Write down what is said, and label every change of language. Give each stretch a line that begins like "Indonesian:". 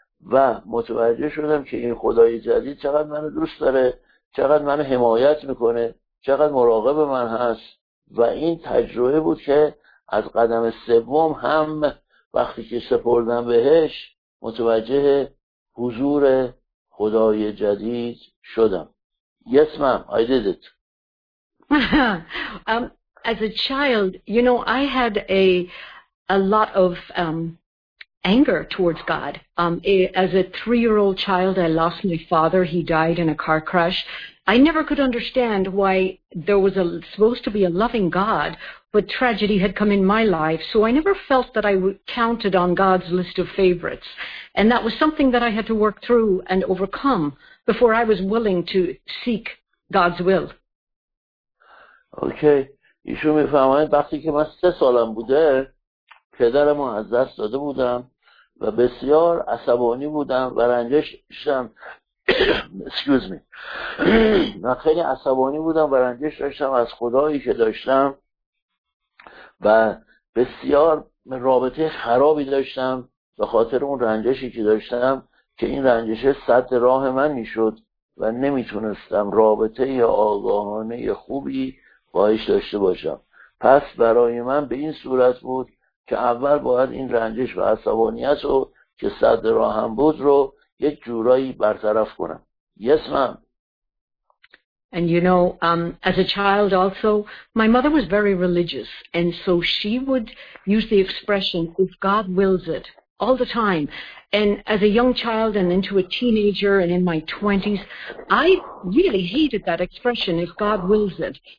Persian: و متوجه شدم که این خدای جدید چقدر منو دوست داره، چقدر من حمایت میکنه، چقدر مراقب من هست. و این تجربه بود که از قدم سوم هم وقتی که سپردم بهش متوجه حضور خدای جدید شدم.
English: Yes, ma'am, I did it. As a child, you know, I had a lot of anger towards God. As a three-year-old child, I lost my father. He died in a car crash. I never could understand why there was supposed to be a loving God, but tragedy had come in my life, so I never felt that I counted on God's list of favorites. And that was something that I had to work through and overcome before I was willing to seek God's will. Okay.
Persian: ایشو میفهمید وقتی که من 3 سالم بوده پدرمو از دست داده بودم و بسیار عصبانی بودم و رنجش داشتم.
English: Excuse me.
Persian: من خیلی عصبانی بودم و رنجش داشتم از خدایی که داشتم و بسیار رابطه خرابی داشتم به خاطر اون رنجشی که داشتم، که این رنجش سد راه من میشد و نمیتونستم رابطه آگاهانه خوبی باهاش داشته باشم. پس برای من به این صورت بود که اول باید این رنجش و عصبانیت رو که سد راهم بود رو یک جورایی برطرف کنم.
English: Yes, ma'am. And you know, as a child also, my mother was very religious, and so she would use the expression, if God wills it, all the time. And as a young child and into a teenager and in my 20s, I really hated that expression, if God wills it.